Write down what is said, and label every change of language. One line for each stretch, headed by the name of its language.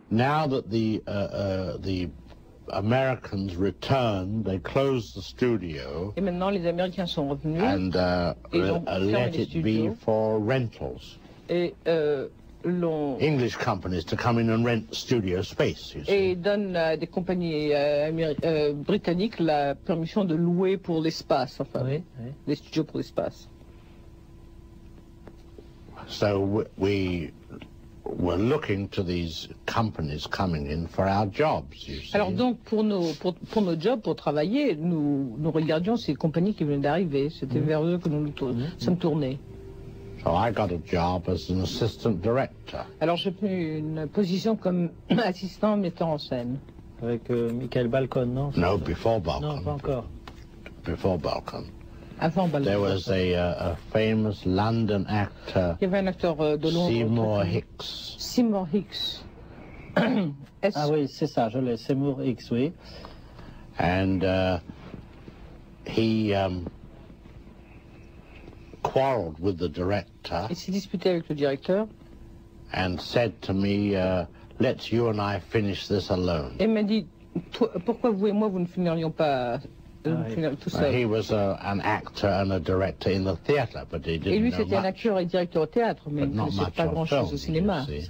English: Now that the Americans returned, they closed the studio and let it be for rentals. English companies to come in and rent studio space, you see.
French: Et donne à des compagnies britanniques la permission de louer pour l'espace, enfin, oui, oui. Les studios pour l'espace.
English: So we were looking to these companies coming in for our jobs, you see.
French: Alors donc, pour nos jobs, pour travailler, nous regardions ces compagnies qui venaient d'arriver. C'était vers eux que nous sommes tournés.
English: So I got a job as an assistant director.
French: Alors j'ai pris une position comme assistant metteur en scène. Avec Michael Balcon, non?
English: No, before Balcon.
French: Non, pas encore.
English: Before Balcon.
French: Avant Balcon.
English: There was a famous London actor.
French: Il y avait un acteur de Londres. Seymour Hicks. Ah oui, c'est ça, je l'ai. Seymour Hicks, oui.
English: And he quarreled with the director.
French: Il s'est disputé avec le directeur.
English: And said to me, "Let's you and I finish this alone."
French: Et m'a dit, pourquoi vous et moi vous ne finirions pas tout seul?
English: He was an actor and a director in the theatre, but he didn't know much.
French: Et lui, c'était un acteur et directeur au théâtre, mais il ne faisait pas grand-chose au cinéma.